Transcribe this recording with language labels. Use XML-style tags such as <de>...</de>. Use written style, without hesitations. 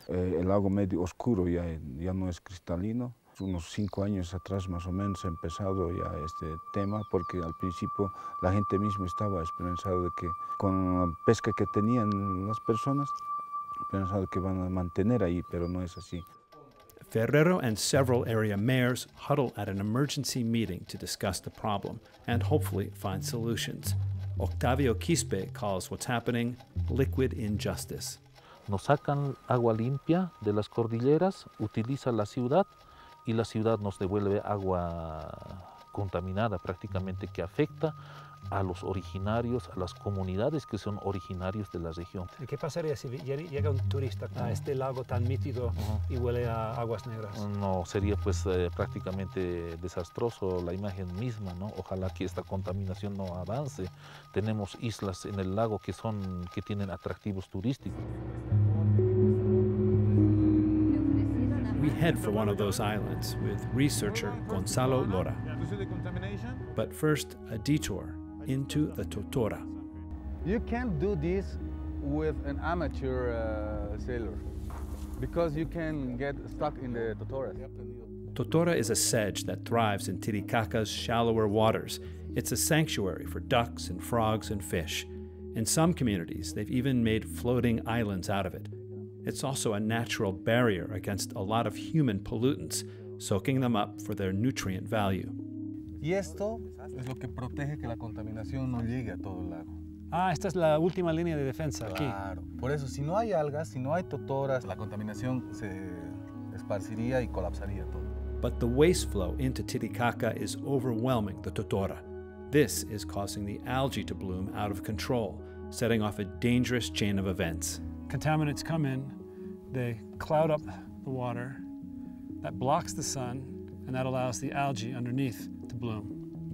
<es>El lago medio oscuro ya no es cristalino. Unos 5 años atrás más o menos ha empezado ya este tema porque al principio la gente misma estaba esperanzado de que con la pesca que tenían las personas pensado que van a mantener ahí, pero no es así.</es> <en>Ferrero and several area mayors huddle at an emergency meeting to discuss the problem and hopefully find solutions. Octavio Quispe calls what's happening liquid injustice.</en> <es>Nos sacan agua limpia de las cordilleras, utiliza la ciudad. Y la ciudad nos devuelve agua contaminada, prácticamente que afecta a los originarios, a las comunidades que son originarios de la región. ¿Y qué pasaría si llega un turista a este lago tan mítido y huele a aguas negras? No, sería pues prácticamente desastroso la imagen misma, ¿no? Ojalá que esta contaminación no avance. Tenemos islas en el lago que tienen atractivos turísticos.</es> <en>We head for one of those islands with researcher GONZALO LORA. But first, a detour into the Totora. You can't do this with an amateur sailor, because you can get stuck in the totora. Totora is a sedge that thrives in Titicaca's shallower waters. It's a sanctuary for ducks and frogs and fish. In some communities, they've even made floating islands out of it. It's also a natural barrier against a lot of human pollutants, soaking them up for their nutrient value.</en> <es>Y esto es lo que protege que la contaminación no llegue a todo el lago. Ah, esta es la última línea de defensa aquí. Claro. Por eso, si no hay algas, si no hay totoras, la contaminación se esparciría y colapsaría todo.</es> <en>But the waste flow into Titicaca is overwhelming the totora. This is causing the algae to bloom out of control, setting off a dangerous chain of events. Contaminants come in, they cloud up the water, that blocks the sun, and that allows the algae underneath to bloom.</en>